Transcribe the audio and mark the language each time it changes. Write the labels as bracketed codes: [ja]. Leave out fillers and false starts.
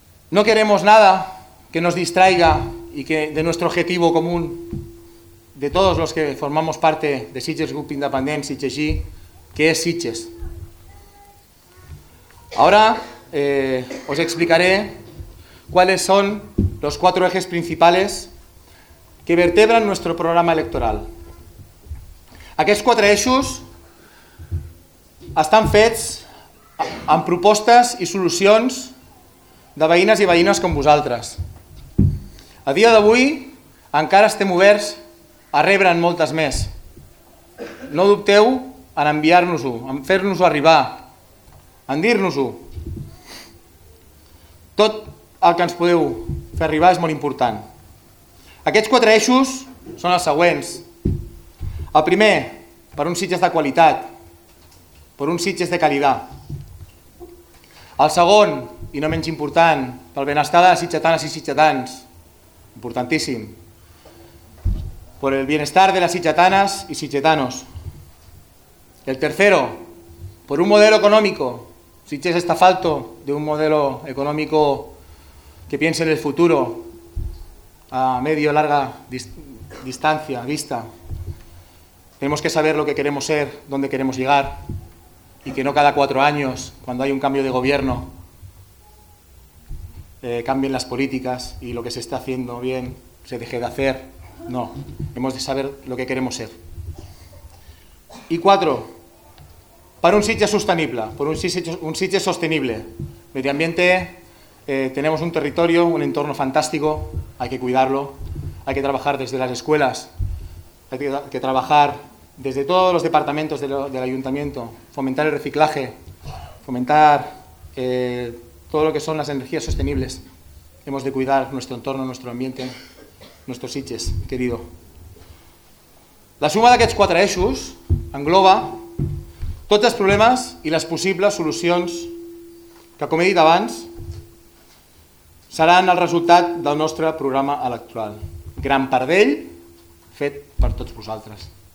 [es] No queremos nada que nos distraiga y que de nuestro objetivo común, de todos los que formamos parte de Sitges Group Independent, Sitges G, que es Sitges. Ahora os explicaré cuáles son los cuatro ejes principales que vertebren nuestro programa electoral. [ca] Aquests quatre eixos estan fets amb propostes i solucions de veïnes i veïnes com vosaltres. A dia d'avui encara estem oberts a rebre'n moltes més. No dubteu en enviar-nos-ho, en fer-nos-ho arribar, en dir-nos-ho. Tot el que ens podeu fer arribar és molt important. Aquests quatre eixos són els següents. El primer, per uns Sitges de qualitat, per uns Sitges de qualitat. El segon, i no menys important, pel benestar de les sitgetanes i sitgetans, importantíssim, per el benestar de les sitgetanes i sitgetanos. [es] El tercero, [ca] per un model econòmic. Sitges està falto d'un model econòmic que pense en el futur, [es] a medio larga distancia, vista. Tenemos que saber lo que queremos ser, dónde queremos llegar y que no cada cuatro años, cuando hay un cambio de gobierno, cambien las políticas y lo que se está haciendo bien se deje de hacer. No, hemos de saber lo que queremos ser. Y cuatro, para un sitio sostenible, por un sitio sostenible, medio ambiente. Tenemos un territorio, un entorno fantástico, hay que cuidarlo, hay que trabajar desde las escuelas, hay que trabajar desde todos los departamentos del ayuntamiento, fomentar el reciclaje, fomentar todo lo que son las energías sostenibles. Hemos de cuidar nuestro entorno, nuestro ambiente, nuestros Sitges, querido. [ca] La suma d'aquests quatre eixos engloba tots els problemes i les possibles solucions que, com he dit abans, seran el resultat del nostre programa electoral. Gran part d'ell fet per tots vosaltres.